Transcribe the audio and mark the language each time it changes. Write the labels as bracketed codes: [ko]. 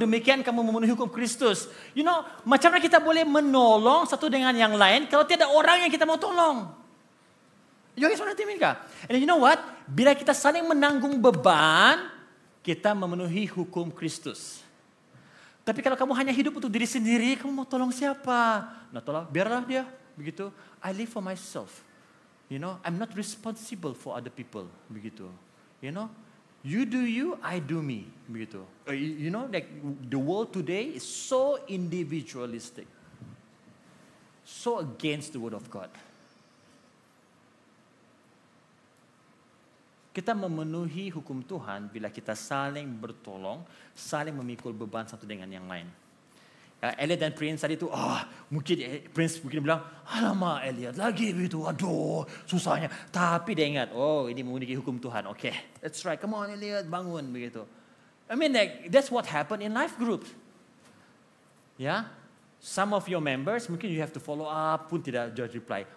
[ms] Demikian kamu memenuhi hukum Kristus. You know, macam mana kita boleh menolong satu dengan yang lain kalau tiada orang yang kita mau tolong? [en] You guys want to think? And you know what? [ms] Bila kita saling menanggung beban, kita memenuhi hukum Kristus. Tapi kalau kamu hanya hidup untuk diri sendiri, kamu mau tolong siapa? Nah, tolong, biarlah dia begitu. [en] I live for myself. You know, I'm not responsible for other people. Begitu. You know, you do you, I do me. Begitu. You know, like the world today is so individualistic. So against the word of God. [ms] Kita memenuhi hukum Tuhan bila kita saling bertolong, saling memikul beban satu dengan yang lain. Elliot dan Prince tadi tu, mungkin Prince bilang, alamak Elliot lagi begitu, aduh susahnya. Tapi dia ingat, ini memenuhi hukum Tuhan, okay. [en] That's right, come on Elliot, [ms] bangun begitu. [en] I mean like, that's what happened in life group. Yeah? Some of your members, mungkin you have to follow up, pun tidak just reply.